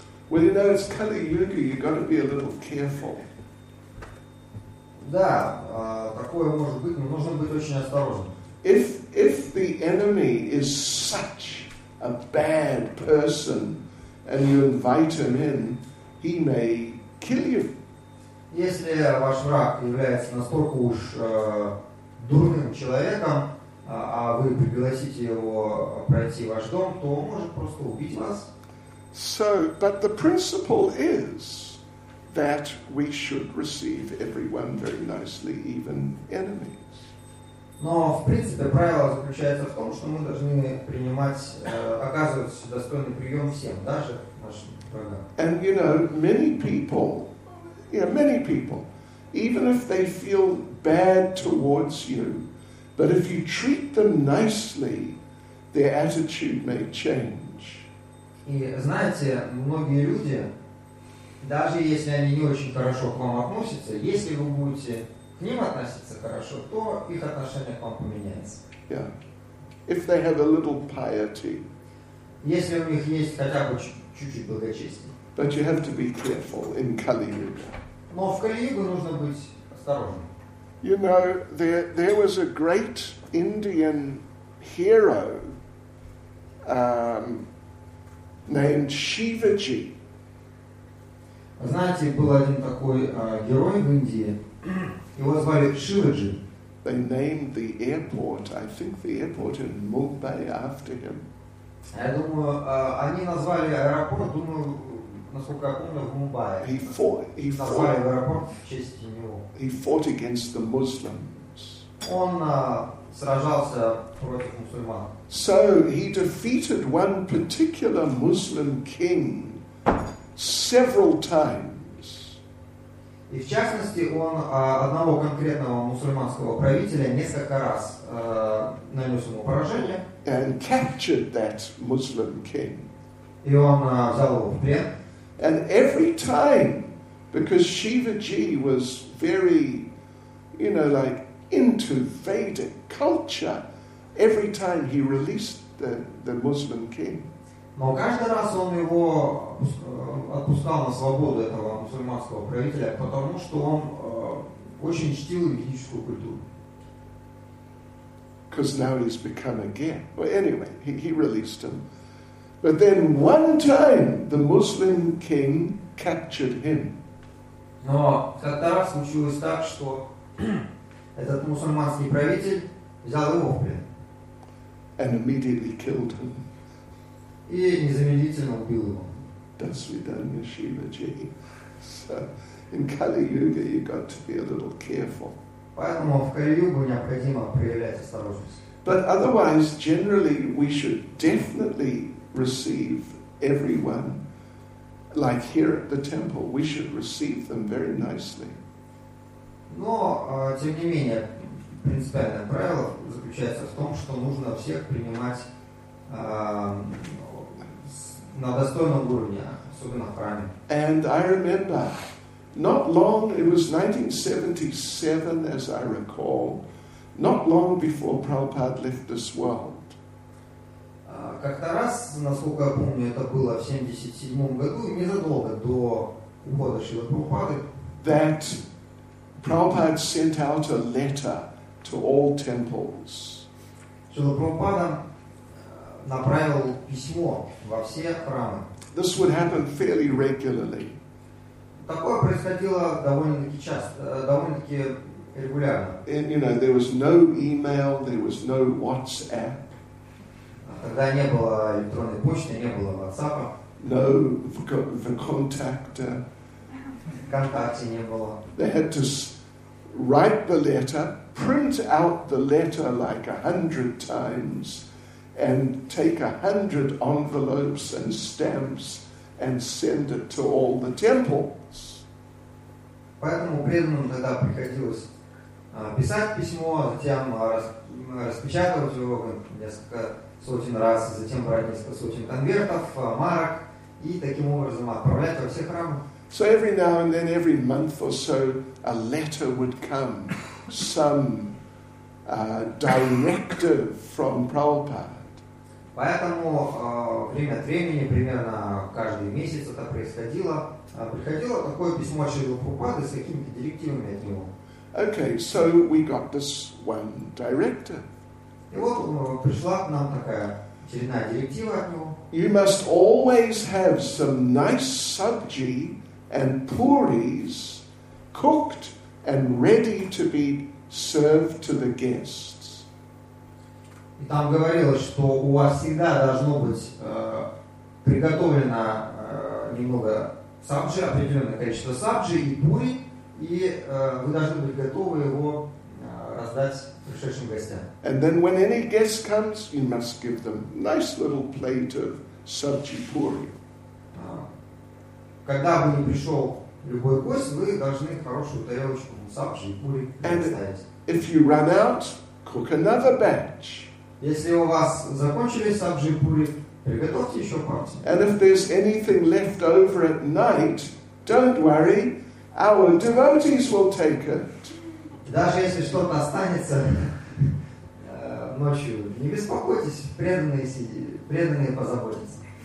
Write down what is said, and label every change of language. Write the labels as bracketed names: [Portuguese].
[English] Well, you know, it's Kali Yuga, you've got to be a little careful. [Russian] Да, такое может быть, но нужно быть очень осторожным. [English] If the enemy is such a bad person and you invite him in, he may kill you. [Russian] Если ваш враг является настолько уж дурным человеком, а вы пригласите его пройти в ваш дом, то он может просто убить вас. [English] So, but the principle is that we should receive everyone very nicely, even enemies. [Russian] Но в принципе правило заключается в том, что мы должны оказывать достойный прием всем, даже нашим врагам. [English] And you know, many people, even if they feel bad towards you, but if you treat them nicely, their attitude may change. [Russian] И знаете, многие люди, даже если они не очень хорошо к вам относятся, если вы будете к ним относиться хорошо, то их отношение к вам поменяется. [English] Yeah. If they have a little piety. [Russian] Если у них есть хотя бы чуть-чуть благочестия. [English] But you have to be careful in Kali-Yuga. [Russian] Но в Кали-Югу нужно быть осторожным. [English] You know, there was a great Indian hero, named Shivaji. [Russian] Знаете, был один такой герой в Индии. Его звали Шиваджи. [English] They named the airport, I think the airport in Mumbai after him. [Russian] Я думаю, они назвали аэропорт, думаю, насколько я помню, в Мумбаи. Назвали аэропорт в честь него. [English] He fought against the Muslims. [Russian] Он сражался против мусульман. [English] So he defeated one particular Muslim king several times. [Russian] И в частности, он одного конкретного мусульманского правителя несколько раз нанес ему поражение. [English] And captured that Muslim king. [Russian] И он взял его в плен. [English] And every time, because Shivaji was very, you know, like into Vedic culture, every time he released the Muslim king. [Russian] Но каждый раз он его отпускал на свободу, этого мусульманского правителя, потому что он очень чтил ведическую культуру. [English] Because now he's become again. Well, anyway, he released him. But then one time the Muslim king captured him. [Russian] Но как-то раз случилось так, что этот мусульманский правитель взял его в плен. [English] And immediately killed him. [Russian] И незамедлительно убил его. До свидания, Шиваджи. [English] So, in Kali-Yuga you've got to be a little careful. [Russian] Поэтому в Кали-Югу необходимо проявлять осторожность. [English] But otherwise, generally, we should definitely receive everyone, like here at the temple, we should receive them very nicely. [Russian] Но, тем не менее, принципиальное правило заключается в том, что нужно всех принимать на достойном уровне, особенно в храме. [English] And I remember, not long, it was 1977, as I recall, not long before Prabhupada left this world. [Russian] Как-то раз, насколько я помню, это было в 77-м году, незадолго до ухода Шрилы Прабхупады. [English] That Prabhupada sent out a letter to all temples. [Russian] Шрила Прабхупада направил письмо во все храмы. [English] This would happen fairly regularly. [Russian] Такое происходило довольно-таки часто, довольно-таки [English] And you know, there was no email, there was no WhatsApp. [Russian] Тогда не было электронной почты, не было WhatsApp. [English] No, the contactor. [Russian] Контакте не было. [English] They had to write the letter, print out the letter like 100 times, and take 100 envelopes and stamps and send it to all the temples. [Russian] Поэтому преданным тогда приходилось писать письмо, затем распечатывать его несколько сотен раз, затем брать несколько сотен конвертов, марок, и таким образом отправлять во все храмы. [English] So every now and then, every month or so, a letter would come, some directive from Prabhupada. [Russian] Поэтому время от времени, примерно каждый месяц это происходило, приходило такое письмо от Шрилы Прабхупады с какими-то директивами от него. [English] Okay, so we got this one directive. [Russian] И вот пришла к нам такая очередная директива от него. [English] You must always have some nice sabji and puris cooked and ready to be served to the guests. [Russian] И там говорилось, что у вас всегда должно быть приготовлено немного сабджи, определенное количество сабджи и пури, и вы должны быть готовы его раздать пришедшим гостям. [English] And then when any guest comes, you must give them a nice little plate of sabji puri. [Russian] Когда бы ни пришел любой гость, вы должны хорошую тарелочку сабджи и пури предоставить. [English] If you run out, cook another batch. [Russian] Если у вас закончились сабджи и пури, приготовьте еще партию. [English] And if there's anything left over at night, don't worry, our devotees will take it. [Russian] Даже если что-то останется ночью, не беспокойтесь, преданные сидят, преданные позаботятся.